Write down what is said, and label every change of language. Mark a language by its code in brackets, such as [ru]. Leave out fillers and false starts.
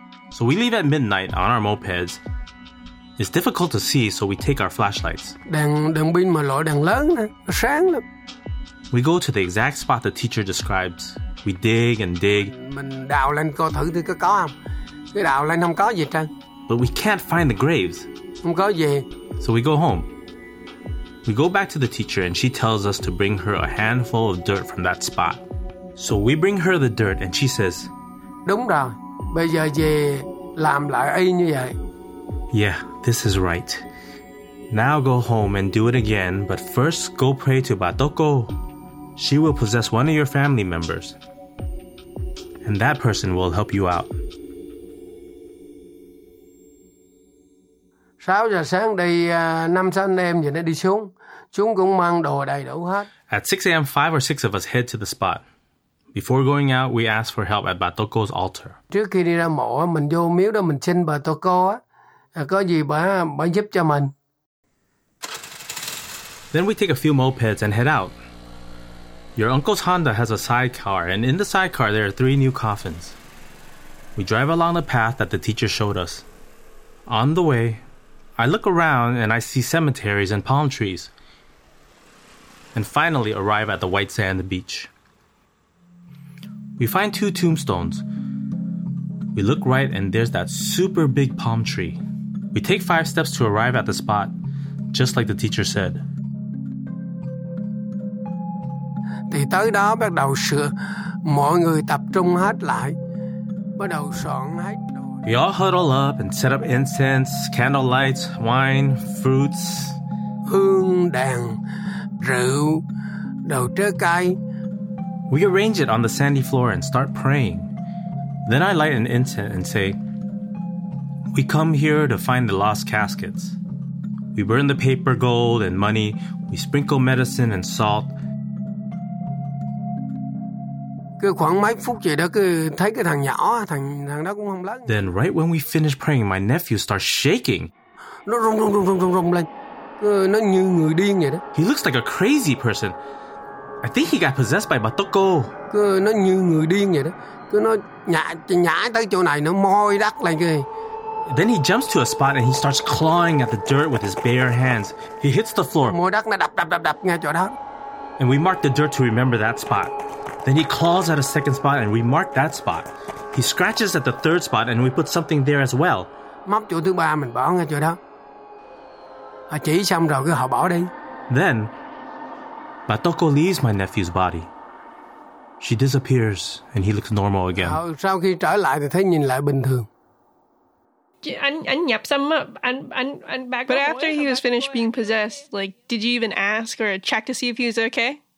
[en] So we leave at midnight on our mopeds. It's difficult to see, so we take our flashlights. [vi] Đèn pin mà loại đèn lớn nè, nó sáng lắm. [en] We go to the exact spot the teacher describes. We dig and dig. [vi] Mình đào lên coi thử thì có không? Cái đào lên không có gì trơn. [en] But we can't find the graves. [vi] Không có gì. [en] So we go home. We go back to the teacher and she tells us to bring her a handful of dirt from that spot. So we bring her the dirt and she says, [vi] Đúng rồi. Bây giờ về làm lại y như vậy. [en] Yeah, this is right. Now go home and do it again, but first go pray to Batoko. She will possess one of your family members. And that person will help you out. [vi] 6 giờ sáng đi, 5-6 anh em giờ nó đi xuống. Chúng cũng mang đồ đầy đủ hết. [en] At 6 a.m., 5 or 6 of us head to the spot. Before going out, we ask for help at Batoko's altar. [vi] Trước khi đi ra mộ, mình vô miếu đó, mình xin Batoko á. Có gì bà giúp cho mình. [en] Then we take a few mopeds and head out. Your uncle's Honda has a sidecar, and in the sidecar, there are 3 new coffins. We drive along the path that the teacher showed us. On the way, I look around and I see cemeteries and palm trees. And finally arrive at the white sand beach. We find 2 tombstones. We look right and there's that super big palm tree. We take 5 steps to arrive at the spot, just like the teacher said. [vi] Thì tới đó bắt đầu sửa, mọi người tập trung hết lại, bắt đầu soạn hết. [en] We all huddle up and set up incense, candle lights, wine, fruits. [vi] Hương đèn, rượu, đồ trái cây. [en] We arrange it on the sandy floor and start praying. Then I light an incense and say, "We come here to find the lost caskets." We burn the paper gold and money. We sprinkle medicine and salt. [vi] Cứ khoảng mấy phút vậy đó, cứ thấy cái thằng nhỏ, thằng đó cũng không lớn. [en] Then right when we finish praying, my nephew starts shaking. [vi] Nó rung lên, nó như người điên vậy đó. [en] He looks like a crazy person. I think he got possessed by Batoko. [vi] Cứ nó như người điên vậy đó, cứ nó nhảy tới chỗ này, nó moi đất lên kì. [en] Then he jumps to a spot and he starts clawing at the dirt with his bare hands. He hits the floor. [vi] Moi đất nó đập ngay chỗ đó. [en] And we mark the dirt to remember that spot. Then he claws at a second spot and we mark that spot. He scratches at the third spot and we put something there as well. [vi] Móc chỗ thứ ba mình bỏ ngay chỗ đó. Họ chỉ xong rồi cứ họ bỏ đi. [en] Then, Batoko leaves my nephew's body. She disappears and he looks normal again. [vi] Sau khi trở lại thì thấy nhìn lại bình thường. Anh nhập xong anh back. [en] But after he was finished being possessed, like, did you even ask or check to see if he was okay?